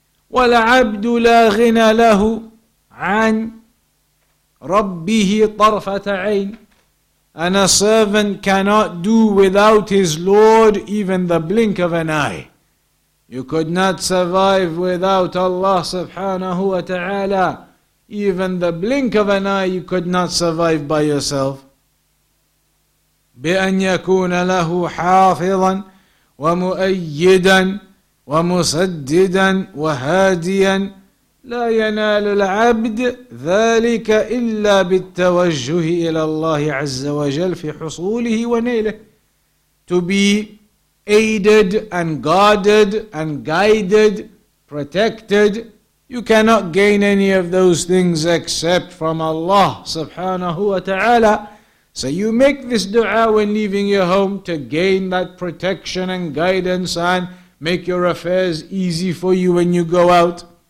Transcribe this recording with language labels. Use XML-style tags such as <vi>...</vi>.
<ar>وَالْعَبْدُ لَا غِنَى لَهُ عَنْ رَبِّهِ طَرْفَةَ عَيْنِ,</ar> <en>and a servant cannot do without his Lord even the blink of an eye. You could not survive without Allah subhanahu wa ta'ala. Even the blink of an eye, you could not survive by yourself.</en> <ar>بأن يكون له حافظا ومؤيدا ومسددا وهاديا لا ينال العبد ذلك إلا بالتوجه إلى الله عز وجل في حصوله ونيله.</ar> <en>To be aided and guarded and guided, protected, you cannot gain any of those things except from Allah subhanahu wa ta'ala. So you make this dua when leaving your home to gain that protection and guidance and make your affairs easy for you when you go out.</en>